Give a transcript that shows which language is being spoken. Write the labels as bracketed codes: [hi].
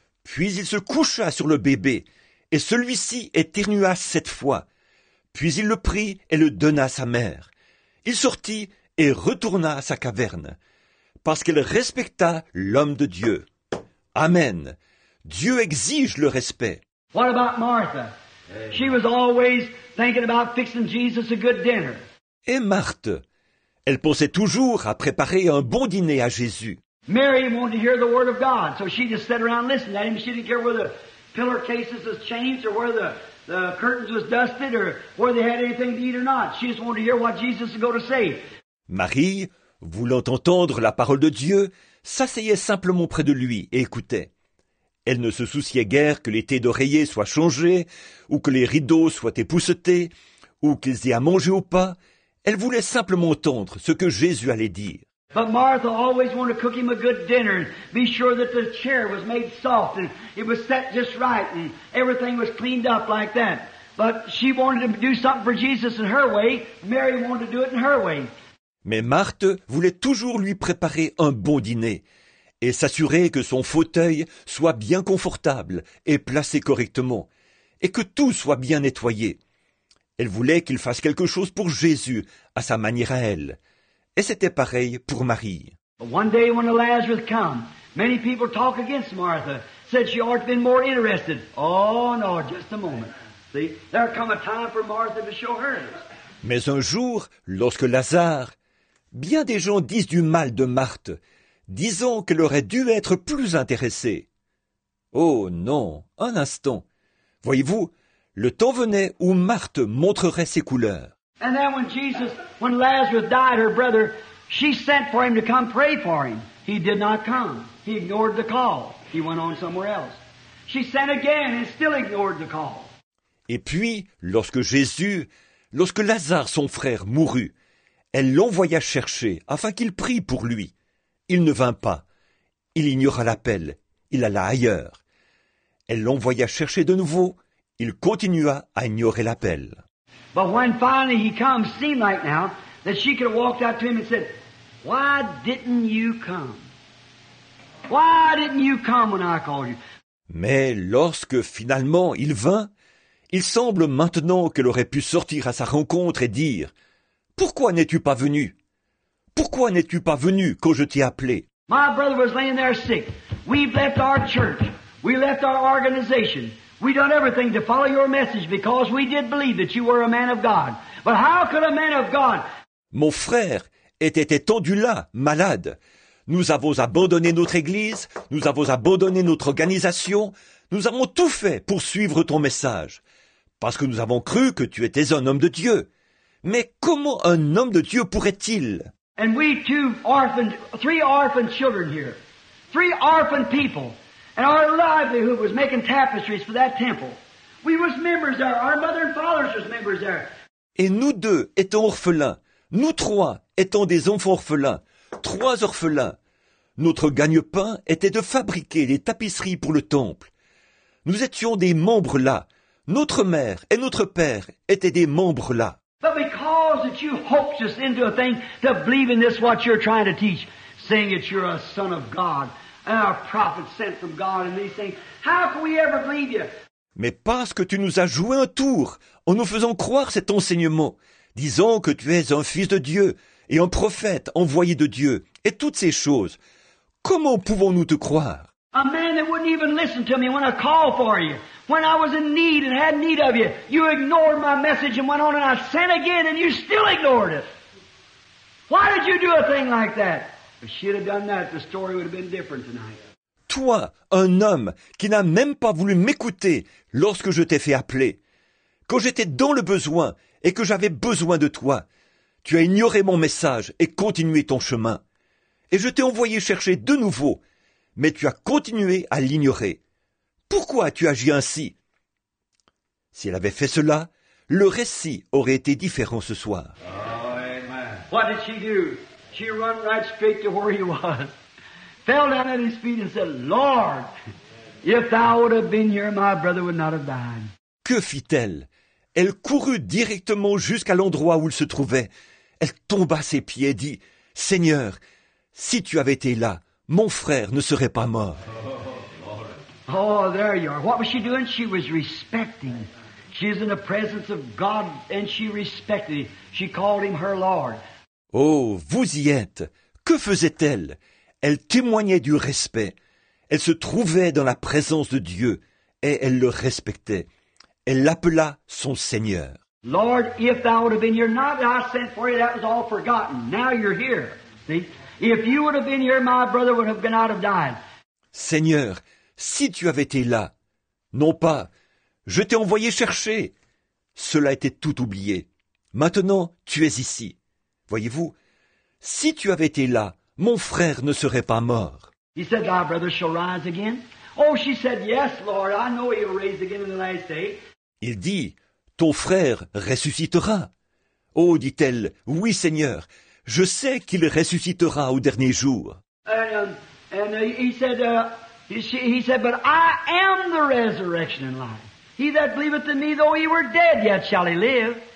[fr] Puis il se coucha sur le bébé, et celui-ci éternua 7 fois. Puis il le prit et le donna à sa mère. Il sortit et retourna à sa caverne, parce qu'elle respecta l'homme de Dieu. Amen. Dieu exige le respect. [en] What about Martha? She was always thinking about fixing Jesus a good dinner. [fr] Et Marthe, elle pensait toujours à préparer un bon dîner à Jésus. [en] Mary wanted to hear the word of God, so she just sat around listening to him. She didn't care where the pillar cases was changed or where the curtains was dusted or where they had anything to eat or not. She just wanted to hear what Jesus was going to say. [fr] Marie, voulant entendre la parole de Dieu, s'asseyait simplement près de lui et écoutait. Elle ne se souciait guère que les têtes d'oreiller soient changées ou que les rideaux soient époussetés ou qu'ils aient à manger ou pas. Elle voulait simplement entendre ce que Jésus allait dire. [en] But Martha always wanted to cook him a good dinner and be sure that the chair was made soft and it was set just right and everything was cleaned up like that. But she wanted to do something for Jesus in her way. Mary wanted to do it in her way. [fr] Mais Marthe voulait toujours lui préparer un bon dîner et s'assurer que son fauteuil soit bien confortable et placé correctement et que tout soit bien nettoyé. Elle voulait qu'il fasse quelque chose pour Jésus, à sa manière à elle. Et c'était pareil pour Marie. [en] One day when Lazarus came, many people talk against Martha, said she ought to be more interested. Oh no, just a moment. See, there come a time for Martha to show hers. [fr] Mais un jour, lorsque Lazare, bien des gens disent du mal de Marthe, disant qu'elle aurait dû être plus intéressée. Oh non, un instant. Voyez-vous, le temps venait où Marthe montrerait ses couleurs. [en] And then when Jesus, when Lazarus died, her brother, she sent for him to come pray for him. He did not come. He ignored the call. He went on somewhere else. She sent again and still ignored the call. [fr] Et puis, lorsque Lazare, son frère, mourut, elle l'envoya chercher afin qu'il prie pour lui. Il ne vint pas. Il ignora l'appel. Il alla ailleurs. Elle l'envoya chercher de nouveau. Il continua à ignorer l'appel. [en] But when finally he comes, seemed like now, that she could have walked out to him and said, why didn't you come? Why didn't you come when I called you? [fr] Mais lorsque finalement il vint, il semble maintenant qu'elle aurait pu sortir à sa rencontre et dire, pourquoi n'es-tu pas venu? Pourquoi n'es-tu pas venu quand je t'ai appelé? [en] My brother was laying there sick. We've left our church. We left our organization. We've done everything to follow your message because we did believe that you were a man of God. But how could a man of God? [fr] Mon frère était étendu là, malade. Nous avons abandonné notre église, nous avons abandonné notre organisation, nous avons tout fait pour suivre ton message. Parce que nous avons cru que tu étais un homme de Dieu. Mais comment un homme de Dieu pourrait-il? [en] And we two orphaned, three orphaned children here. Three orphaned people. And our livelihood was making tapestries for that temple. We was members there. Our mother and fathers was members there. [fr] Et nous deux étant orphelins, nous trois étant des enfants orphelins, trois orphelins, notre gagne-pain était de fabriquer des tapisseries pour le temple. Nous étions des membres là. Notre mère et notre père étaient des membres là. [en] But because that you hoped us into a thing to believe in this, what you're trying to teach, saying that you're a son of God and a prophet sent from God, and these things, how can we ever believe you? [fr] Mais parce que tu nous as joué un tour en nous faisant croire cet enseignement, disant que tu es un fils de Dieu et un prophète envoyé de Dieu et toutes ces choses, comment pouvons-nous te croire? [en] A man that wouldn't even listen to me when I called for you. When I was in need and had need of you, you ignored my message and went on, and I sent again and you still ignored it. Why did you do a thing like that? If she'd have done that, the story would have been different tonight. [fr] Toi, un homme qui n'a même pas voulu m'écouter lorsque je t'ai fait appeler, quand j'étais dans le besoin et que j'avais besoin de toi, tu as ignoré mon message et continué ton chemin. Et je t'ai envoyé chercher de nouveau, mais tu as continué à l'ignorer. Pourquoi as-tu agi ainsi? S'il avait fait cela, le récit aurait été différent ce soir. [en] Oh, amen. What did she do? She run right straight to where he was. Fell down at his feet and said, Lord, if thou would have been here, my brother would not have died. [fr] Que fit-elle? Elle courut directement jusqu'à l'endroit où il se trouvait. Elle tomba à ses pieds et dit, Seigneur, si tu avais été là, mon frère ne serait pas mort. [en] Oh, there you are. What was she doing? She was respecting. She is in the presence of God and she respected him. She called him her Lord. [fr] Oh, vous y êtes. Que faisait-elle? Elle témoignait du respect. Elle se trouvait dans la présence de Dieu et elle le respectait. Elle l'appela son Seigneur. [en] Lord, if thou would have been here, not that I sent for you, that was all forgotten. Now you're here. See? If you would have been here, my brother would have been out of dying. [fr] Seigneur, si tu avais été là, non pas, je t'ai envoyé chercher. Cela était tout oublié. Maintenant, tu es ici. Voyez-vous, si tu avais été là, mon frère ne serait pas mort. [en] He said, thy brother shall rise again. Oh, she said, yes, Lord, I know he'll raise again in the last day. [fr] Il dit, ton frère ressuscitera. Oh, dit-elle, oui, Seigneur, je sais qu'il ressuscitera au dernier jour. [en] He said, but I am the resurrection and life. He that believeth in me, though he were dead, yet shall he live.